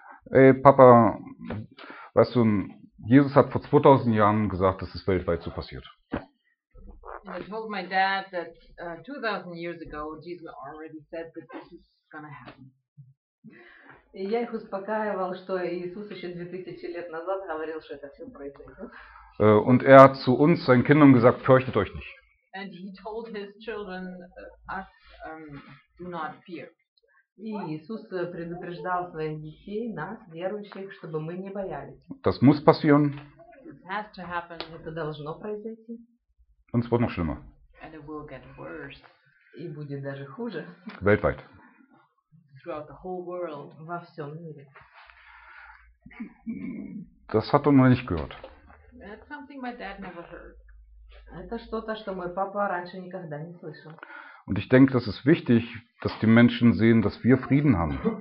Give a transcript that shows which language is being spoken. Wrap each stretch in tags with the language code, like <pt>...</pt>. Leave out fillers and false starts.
<ru>Эй, папа,</ru> <de>weißt du, Jesus hat vor 2000 Jahren gesagt, dass es weltweit so passiert.</de> <en>And I told my dad that 2000 years ago Jesus already said that this is gonna happen.</en> <ru>И я их успокаивал, что Иисус еще 2000 лет назад говорил, что это все произойдет.</ru> <de>Und er hat zu uns, seinen Kindern, gesagt, fürchtet euch nicht.</de> <en>And he told his children, us, do not fear.</en> <ru>И Иисус предупреждал своих детей, нас, верующих, чтобы мы не боялись.</ru> <de>Das muss passieren.</de> <en>It has to happen.</en> <ru>Это должно произойти.</ru> <de>Und es wird noch schlimmer.</de> <en>And it will get worse.</en> <ru>И будет даже хуже.</ru> <de>Weltweit.</de> <en>Throughout the whole world.</en> <ru>Во всем мире.</ru> <de>Das hat er noch nicht gehört.</de> <en>That's something my dad never heard.</en> <ru>Это что-то, что мой папа раньше никогда не слышал.</ru> <de>Und ich denke, das ist wichtig, dass die Menschen sehen, dass wir Frieden haben.</de>